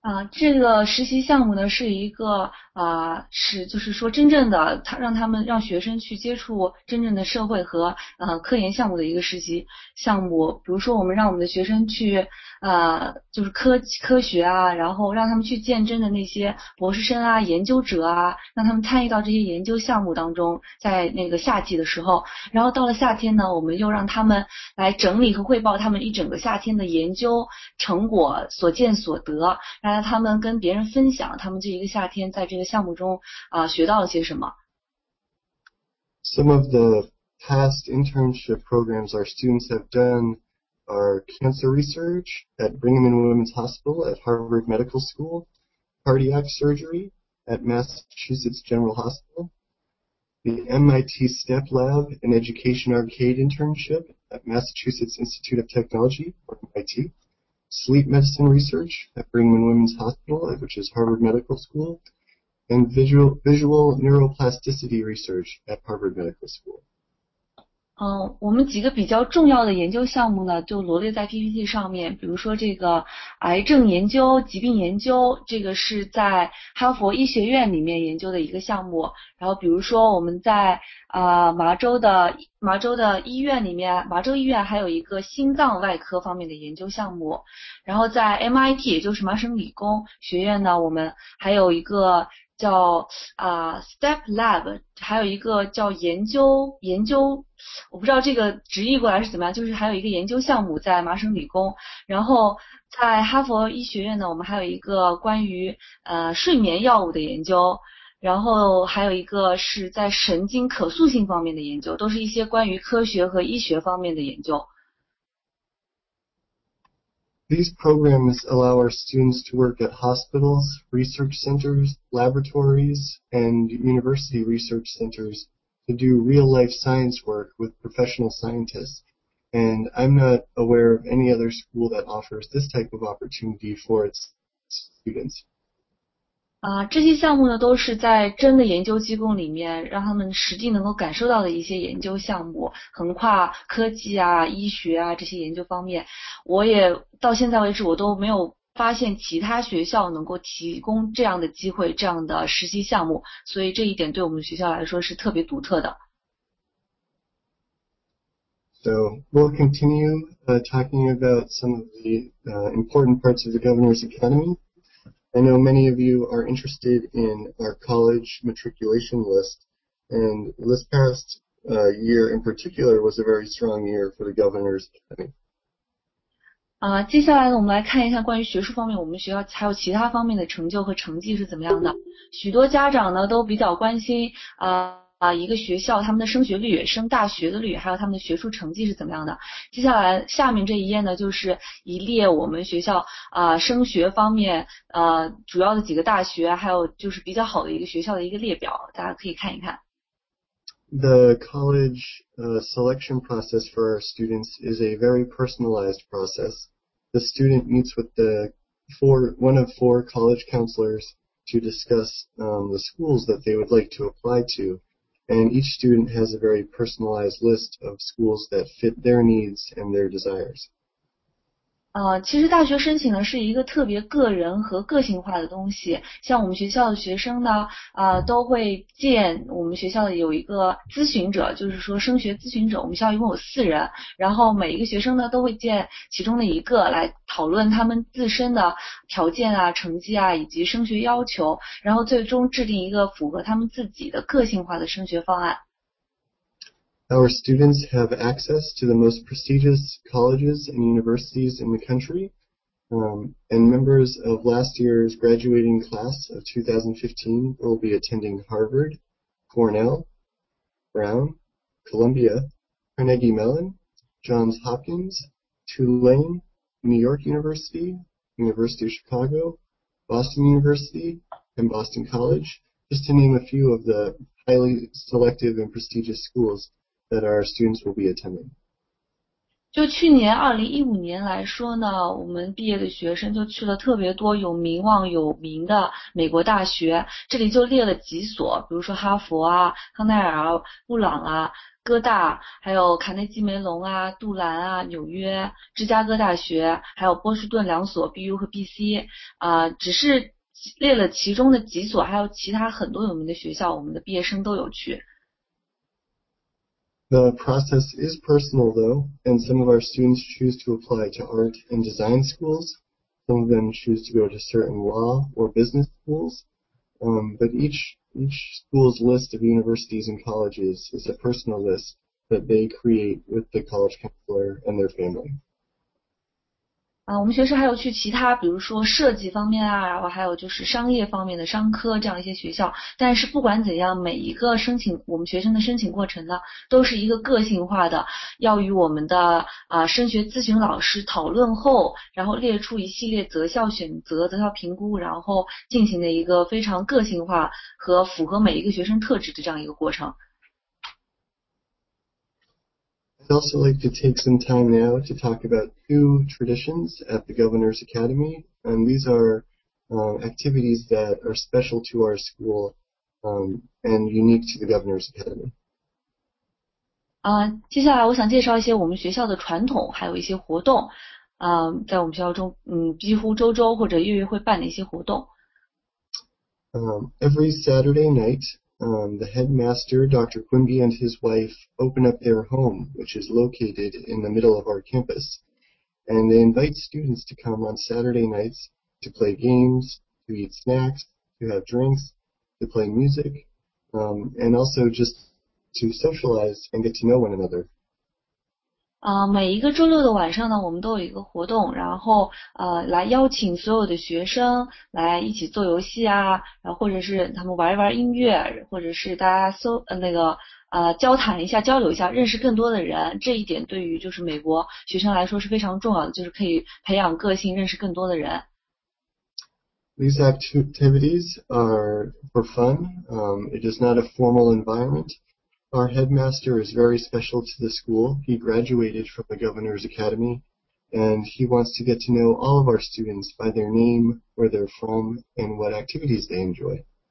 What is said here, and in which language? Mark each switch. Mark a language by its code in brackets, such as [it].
[zh] 这个实习项目呢，是一个就是说真正的让学生去接触真正的社会和科研项目的一个实习项目。比如说，我们让我们的学生去就是科学啊，然后让他们去见真的那些博士生啊、研究者啊，让他们参与到这些研究项目当中，在那个夏季的时候，然后到了夏天呢，我们又让他们来整理和汇报他们一整个夏天的研究成果所见所得，让他们跟别人分享他们这一个夏天在这个项目中学到了些什么。 [en] Some of the past internship programs our students have done are cancer research at Brigham and Women's Hospital at Harvard Medical School, cardiac surgery at Massachusetts General Hospital, the MIT STEP Lab and Education Arcade internship at Massachusetts Institute of Technology, or MIT, sleep medicine research at Brigham and Women's Hospital, which is Harvard Medical School, and visual neuroplasticity research at Harvard Medical School. [zh] 我们几个比较重要的研究项目呢，就罗列在 PPT 上面。比如说这个癌症研究、疾病研究，这个是在哈佛医学院里面研究的一个项目。然后比如说我们在麻州的医院里面，麻州医院还有一个心脏外科方面的研究项目。然后在 MIT，也就是麻省理工学院呢，我们还有一个叫Step Lab，还有一个叫研究，我不知道这个直译过来是怎么样，就是还有一个研究项目在麻省理工，然后在哈佛医学院呢，我们还有一个关于睡眠药物的研究，然后还有一个是在神经可塑性方面的研究，都是一些关于科学和医学方面的研究。 [en] These programs allow our students to work at hospitals, research centers, laboratories, and university research centers to do real-life science work with professional scientists. And I'm not aware of any other school that offers this type of opportunity for its students. [zh] 这些项目呢，都是在真的研究机构里面，让他们实际能够感受到的一些研究项目，横跨科技啊、医学啊这些研究方面。我也到现在为止，我都没有发现其他学校能够提供这样的机会、这样的实习项目，所以这一点对我们学校来说是特别独特的。 [en] So we'll continue talking about some of the important parts of the Governor's Academy. I know many of you are interested in our college matriculation list, and this past year in particular was a very strong year for the Governor's Academy. [zh] 接下来呢，我们来看一下关于学术方面，我们学校还有其他方面的成就和成绩是怎么样的。许多家长呢都比较关心一个学校他们的升学率、升大学的率，还有他们的学术成绩是怎么样的。接下来下面这一页呢，就是一列我们学校升学方面主要的几个大学，还有就是比较好的一个学校的一个列表，大家可以看一看。 [en] The college selection process for our students is a very personalized process. The student meets with one of four college counselors to discuss the schools that they would like to apply to. And each student has a very personalized list of schools that fit their needs and their desires. [zh] 其实大学申请呢是一个特别个人和个性化的东西。像我们学校的学生呢，都会见我们学校的有一个咨询者，就是说升学咨询者。我们学校一共有四人，然后每一个学生呢都会见其中的一个，来讨论他们自身的条件啊、成绩啊以及升学要求，然后最终制定一个符合他们自己的个性化的升学方案。 [en] Our students have access to the most prestigious colleges and universities in the country, and members of last year's graduating class of 2015 will be attending Harvard, Cornell, Brown, Columbia, Carnegie Mellon, Johns Hopkins, Tulane, New York University, University of Chicago, Boston University, and Boston College, just to name a few of the highly selective and prestigious schools. That our students will be attending. [zh] 就去年2015年来说呢，我们毕业的学生就去了特别多有名望有名的美国大学，这里就列了几所，比如说哈佛啊、康奈尔、布朗啊、哥大，还有卡内基梅隆啊、杜兰啊、纽约、芝加哥大学，还有波士顿两所 BU 和 BC 只是列了其中的几所，还有其他很多有名的学校，我们的毕业生都有去。 [en] The process is personal, though, and some of our students choose to apply to art and design schools. Some of them choose to go to certain law or business schools. But each school's list of universities and colleges is a personal list that they create with the college counselor and their family. [zh] 我们学生还有去其他，比如说设计方面啊，然后还有就是商业方面的商科这样一些学校。但是不管怎样，每一个申请我们学生的申请过程呢，都是一个个性化的，要与我们的升学咨询老师讨论后，然后列出一系列择校选择、择校评估，然后进行的一个非常个性化和符合每一个学生特质的这样一个过程。 [en] I'd also like to take some time now to talk about two traditions at the Governor's Academy, and these are activities that are special to our school and unique to the Governor's Academy. [zh] 接下来我想介绍一些我们学校的传统，还有一些活动，在我们学校中，几乎周周或者月月会办的一些活动。 [en] Every Saturday night,the headmaster, Dr. Quimby, and his wife open up their home, which is located in the middle of our campus, and they invite students to come on Saturday nights to play games, to eat snacks, to have drinks, to play music, and also just to socialize and get to know one another. [zh] 每一个周六的晚上呢，我们都有一个活动，然后来邀请所有的学生来一起做游戏啊，然后或者是他们玩一玩音乐，或者是大家交谈一下，交流一下，认识更多的人。这一点对于就是美国学生来说是非常重要的，就是可以培养个性，认识更多的人。 [en] These activities are for fun. It is not a formal environment. Our headmaster is very special to the school. He graduated from the Governor's Academy, and he wants to get to know all of our students by their name, where they're from, and what activities they enjoy.